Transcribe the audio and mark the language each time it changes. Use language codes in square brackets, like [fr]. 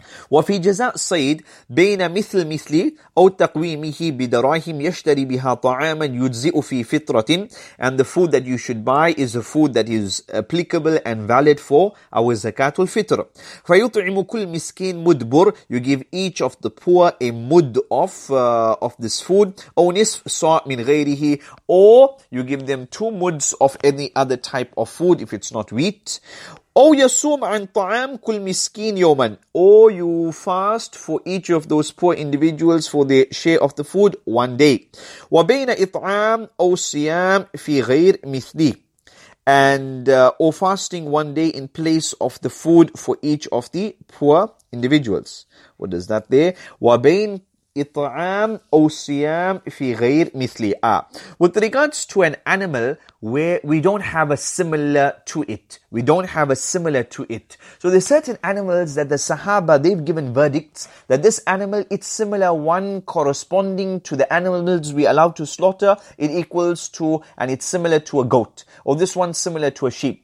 [ar] وفي جزاء الصيد بين مثل مثلي أو تقويمه بدراهم يشتري بها طعاما يجزئ في فطرة. [en] And the food that you should buy is a food that is applicable and valid for our zakat al-fitr. [ar] فيطعم كل مسكين مدبر. [en] You give each of the poor a mud of this food. [ar] أو نصف صاع من غيره. [en] Or you give them two muds of any other type of food if it's not wheat. [ar] أو يصوم عن طعام كل مسكين يوما. [en] Or you fast for each of those poor individuals for their share of the food one day. [ar] وبين إطعام أو صيام في غير مثلي. [en] And or fasting one day in place of the food for each of the poor individuals. What is that there? [ar] وبين إطعام أو صيام في غير مثلي. [en] With regards to an animal where we don't have a similar to it. We don't have a similar to it. So there's certain animals that the Sahaba, they've given verdicts that this animal, it's similar one corresponding to the animals we allow to slaughter. It equals to, and it's similar to a goat. Or this one similar to a sheep.